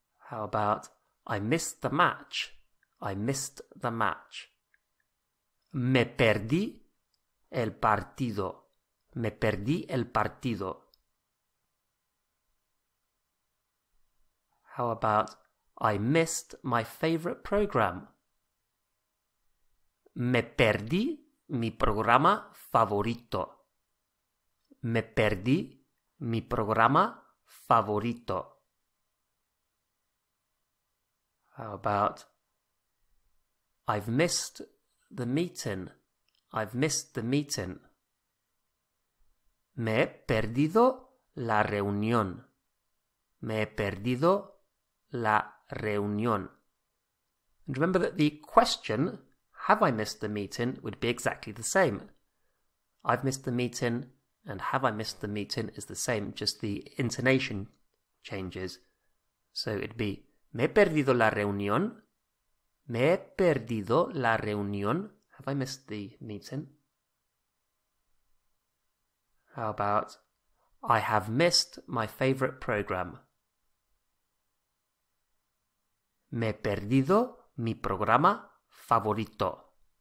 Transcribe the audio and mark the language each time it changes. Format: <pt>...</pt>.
<en>How about, I missed the match? I missed the match.</en> <es>Me perdí el partido. Me perdí el partido.</es> <en>How about, I missed my favorite program?</en> <es>Me perdí mi programa favorito. Me perdí mi programa favorito.</es> <en>How about, I've missed the meeting. I've missed the meeting.</en> <es>Me he perdido la reunión. Me he perdido la reunión.</es> <en>And remember that the question, have I missed the meeting, would be exactly the same. I've missed the meeting and have I missed the meeting is the same, just the intonation changes. So it'd be,</en> <es>me he perdido la reunión. Me he perdido la reunión.</es> <en>Have I missed the meeting? How about, I have missed my favorite program.</en> <es>Me he perdido mi programa favorito.</es>